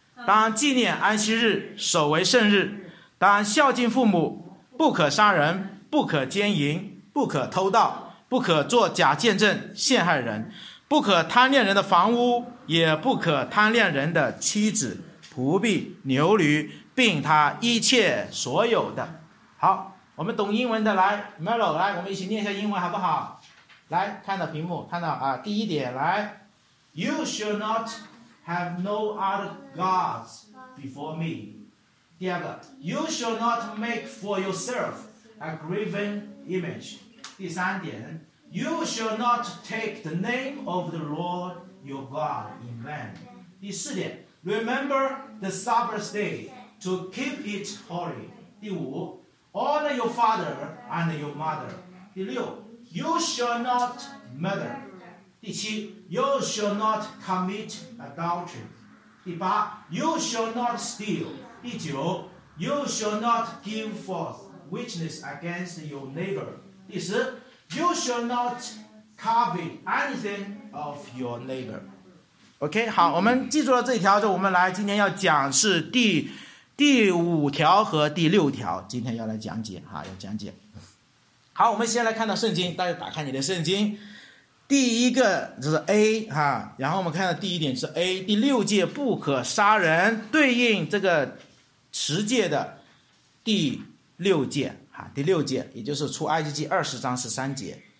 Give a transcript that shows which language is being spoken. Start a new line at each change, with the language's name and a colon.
Chinese: 当纪念安息日，守为圣日。当孝敬父母，不可杀人，不可奸淫，不可偷盗，不可做假见证陷害人。不可贪恋人的房屋，也不可贪恋人的妻子、仆婢、牛驴，并他一切所有的。好，我们懂英文的来 ，Melo， 来，我们一起念一下英文好不好？来，看到屏幕，看到啊，第一点，来
English: ，You shall not have no other gods before me。
Chinese: 第二个
English: ，You shall not make for yourself a graven image。
Chinese: 第三点。
English: You shall not take the name of the Lord your God in vain.
Chinese: 第四点
English: ，Remember the Sabbath day to keep it holy.
Chinese: 第五
English: ，Honor your father and your mother.
Chinese: 第六
English: ，You shall not murder.
Chinese: 第七
English: ，You shall not commit adultery.
Chinese: 第八
English: ，You shall not steal.
Chinese: 第九
English: ，You shall not give false witness against your neighbor.
Chinese: 第十。
English: You shall not covet anything of your neighbor.
Chinese: OK， 好，我们记住了这一条，就我们来今天要讲是第五条和第六条，今天要来讲解哈，要讲解。好，我们先来看到圣经，大家打开你的圣经。第一个就是 A 哈，然后我们看到第一点是 A， 第六诫不可杀人，对应这个十诫的第六诫哈，第六诫也就是出埃及记20章13节。